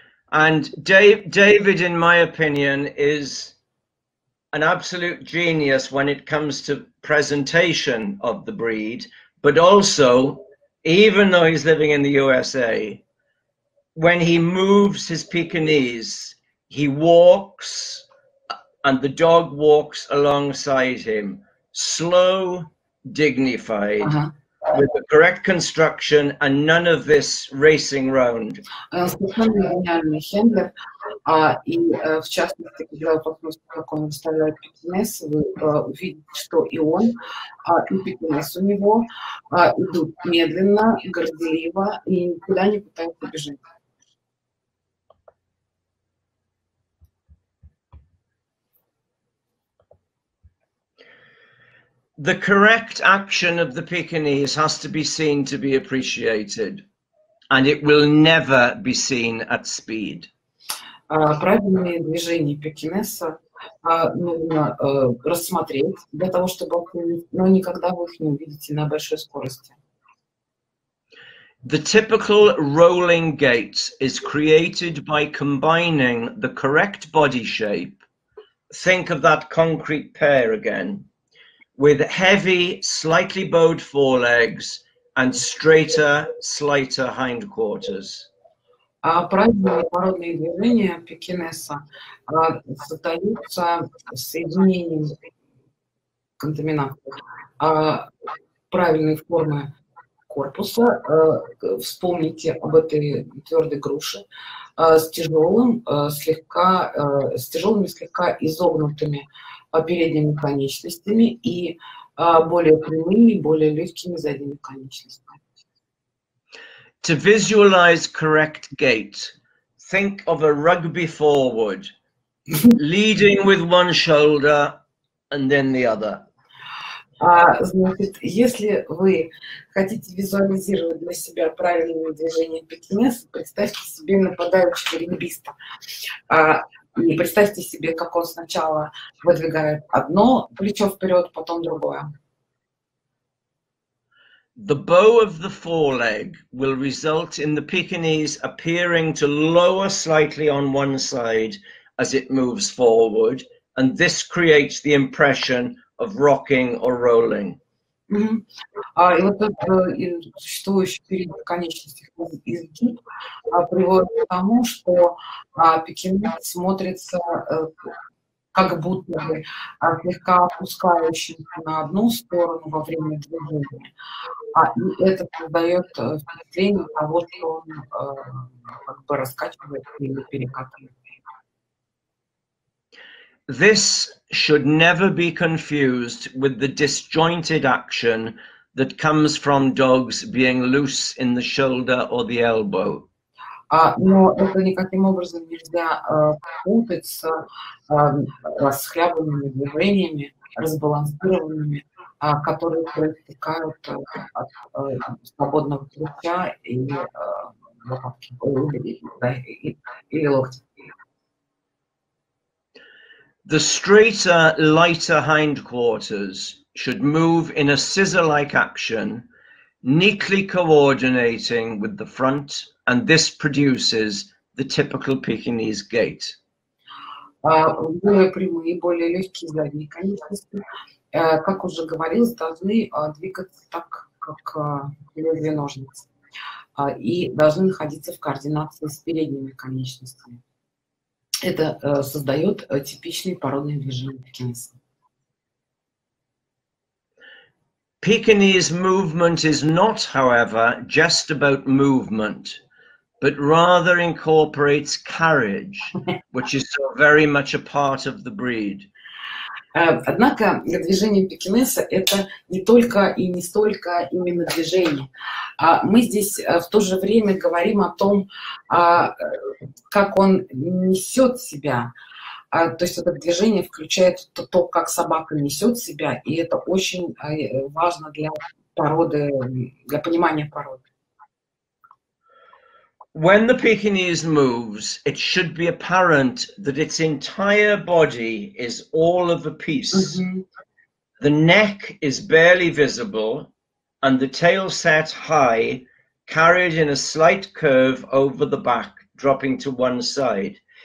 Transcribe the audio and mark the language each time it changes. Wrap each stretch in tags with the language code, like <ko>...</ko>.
<en>And David, in my opinion, is an absolute genius when it comes to presentation of the breed, but also, even though he's living in the USA, when he moves his Pekinese, he walks and the dog walks alongside him, slow, dignified, uh-huh. with the correct construction and none of this racing round.</en> <ru>В частности, когда вы посмотрите, как он выставляет Пекинес, вы увидите, что и он, и Пекинес у него идут медленно, горделиво и никуда не пытаются бежать.</ru> <en>The correct action of the Pekinese has to be seen to be appreciated, and it will never be seen at speed.</en> <ru>Правильные движения Пекинеса нужно рассмотреть для того, чтобы никогда вы их не увидите на большой скорости.</ru> <en>The typical rolling gait is created by combining the correct body shape. Think of that concrete pair again. With heavy, slightly bowed forelegs and straighter, slighter hindquarters.</en> <ru>Правильные породные движения Пекинеса создаются соединением контаминантов правильной формы корпуса. Вспомните об этой твердой груше с тяжелыми слегка изогнутыми передними конечностями и более прямыми, более легкими задними конечностями.</ru> <en>To visualize correct gait, think of a rugby forward, leading with one shoulder and then the other.</en> <ru>Значит, если вы хотите визуализировать для себя правильное движение Пекинеса, представьте себе нападающего регбиста. И представьте себе, как он сначала выдвигает одно плечо вперед, потом другое.</ru> <en>The bow of the foreleg will result in the Pekinese appearing to lower slightly on one side as it moves forward, and this creates the impression of rocking or rolling.</en> <ru>И вот этот существующий передний конечностный изгиб приводит к тому, что Пекинес смотрится как будто бы слегка опускающимся на одну сторону во время движения. И это создает впечатление того, что он как бы раскачивает или перекатывает.</ru> <en>This should never be confused with the disjointed action that comes from dogs being loose in the shoulder or the elbow.</en> <ru>Но это никаким образом нельзя путать с расхлябанными движениями, разбалансированными, которые протекают от свободного плеча или локтя.</ru> <en>The straighter, lighter hindquarters should move in a scissor-like action, neatly coordinating with the front, and this produces the typical Pekinese gait.</en> <ru>Более прямые, более легкие задние конечности, как уже говорилось, должны двигаться так, как лезвие ножниц, и должны находиться в координации с передними конечностями. Это создает типичный породный режим пекинеса.</ru> <en>Pekingese movement is not, however, just about movement, but rather incorporates courage, which is so very much a part of the breed.</en> <ru>Однако движение пекинеса – это не только и не столько именно движение. Мы здесь в то же время говорим о том, как он несет себя. То есть это движение включает то, как собака несет себя, и это очень важно для породы, для понимания породы.</ru> <en>When the Pekingese moves, it should be apparent that its entire body is all of a piece. Mm-hmm. The neck is barely visible, and the tail set high, carried in a slight curve over the back, dropping to one side.</en>